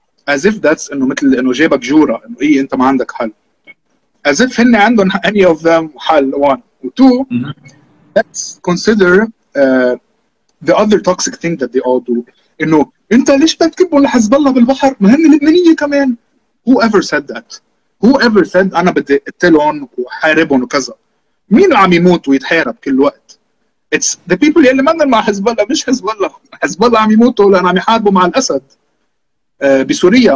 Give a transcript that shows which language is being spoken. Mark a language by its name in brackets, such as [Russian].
[English] As if that's, [Arabic] إنه مثل إنه جيبك جورة, إنه إيه أنت ما عندك حل. [English] As if [Arabic] هن عندهم [English] any of them حل, one. Or two, let's consider the other toxic thing that they all do. [Arabic] إنه أنت ليش بتكبوا لحزب الله بالبحر؟ ما هن لبنانية كمان. [English] Whoever said that? Whoever said [Arabic] أنا بدي أقتلهم وحاربهم وكذا. مين عم يموت ويتحارب كل وقت؟ [English] It's the people [Arabic] يلي مانن مع حزب الله مش حزب الله. حزب الله عم يموتوا لأن عم يحاربوا مع الأسد بسوريا.